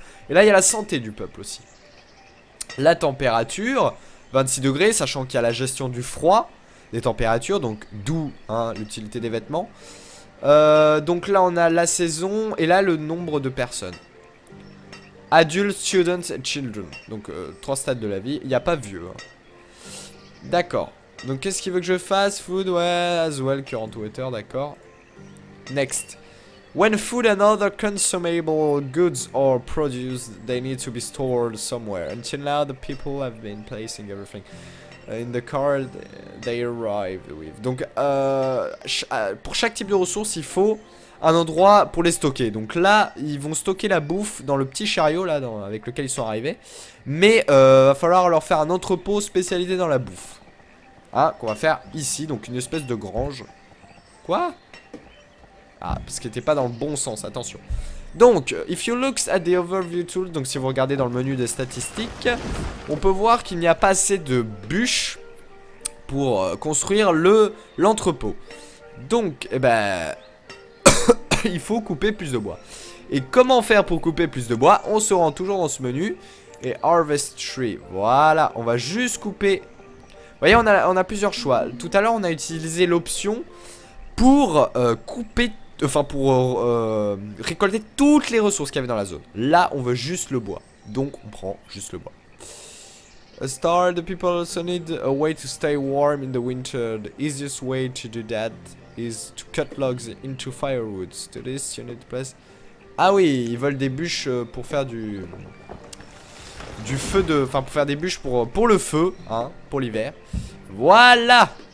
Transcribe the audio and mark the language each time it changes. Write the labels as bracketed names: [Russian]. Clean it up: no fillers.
[French] Et là, il y a la santé du peuple aussi. La température, 26 degrés, sachant qu'il y a la gestion du froid, des températures, donc d'où hein, l'utilité des vêtements. Donc là, on a la saison et là, le nombre de personnes. [English] Adults, students and children. [French] Donc, 3 stades de la vie. Il n'y a pas vieux. Hein. D'accord. Donc, qu'est-ce qu'il veut que je fasse? [English] Food, ouais, as well, current water, d'accord. Next. When food and other consumable goods are produced, they need to be stored somewhere. Until now, the people have been placing everything in the car they arrived with. [French] Donc, pour chaque type de ressource, il faut un endroit pour les stocker. Donc là, ils vont stocker la bouffe dans le petit chariot là, avec lequel ils sont arrivés. Mais va falloir leur faire un entrepôt spécialisé dans la bouffe. Hein, qu'on va faire ici, donc une espèce de grange. Quoi ? Ah, parce qu'il n'était pas dans le bon sens, attention. Donc, [English] if you look at the overview tool, [French] donc si vous regardez dans le menu des statistiques, on peut voir qu'il n'y a pas assez de bûches pour construire l'entrepôt. Donc, eh ben, il faut couper plus de bois. Et comment faire pour couper plus de bois? On se rend toujours dans ce menu et harvest tree. Voilà, on va juste couper. Vous voyez, on a plusieurs choix. Tout à l'heure, on a utilisé l'option pour couper, enfin pour récolter toutes les ressources qu'il y avait dans la zone. Là, on veut juste le bois. Donc, on prend juste le bois. [English] A star, the people also need a way to stay warm in the winter. The easiest way to do that is to cut logs into firewood. To this, you need to place. [French] Ah oui, ils veulent des bûches pour faire du feu de. Enfin, pour faire des bûches pour le feu, hein, pour l'hiver. Voilà!